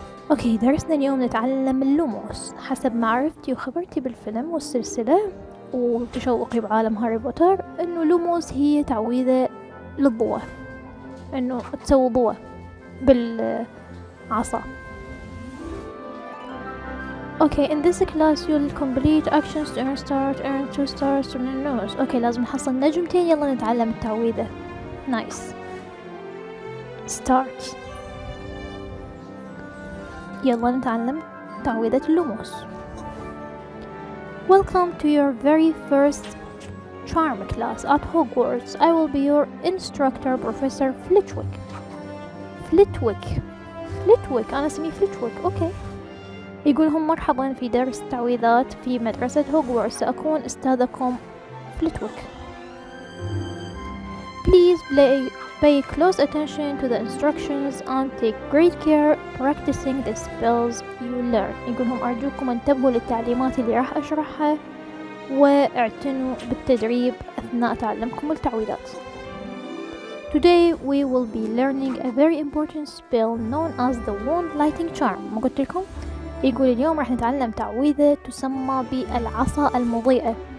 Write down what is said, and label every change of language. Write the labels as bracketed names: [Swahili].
[Arabic] اوكي درسنا اليوم نتعلم اللوموس. حسب ما عرفتي وخبرتي بالفيلم والسلسلة وتشوقي بعالم هاري بوتر انه لوموس هي تعويذة للضوء انه تسوي ضوء بالعصا. [English] Okay in this class you'll complete actions to earn stars, earn 2 stars from the nose. [Arabic] اوكي لازم نحصل نجمتين يلا نتعلم التعويذة. نايس start يلا نتعلم تعويذة اللوموس. [English] Welcome to your very first charm class at Hogwarts. I will be your instructor, Professor Flitwick. Flitwick. [Arabic] أنا اسمي [English] Flitwick. Okay. [Arabic] يقولهم مرحبا في درس التعويذات في مدرسة هوغوارتس. سأكون أستاذكم Flitwick. [English] Please play. Pay close attention to the instructions and take great care practicing the spells you learn. [Arabic] يقولهم أرجوكم انتبهوا للتعليمات اللي راح أشرحها واعتنوا بالتدريب أثناء تعلمكم التعويذات. [English] Today we will be learning a very important spell known as the Wand Lighting Charm. [Arabic] ما قلت لكم؟ يقول اليوم راح نتعلم تعويذة تسمى بالعصا المضيئة.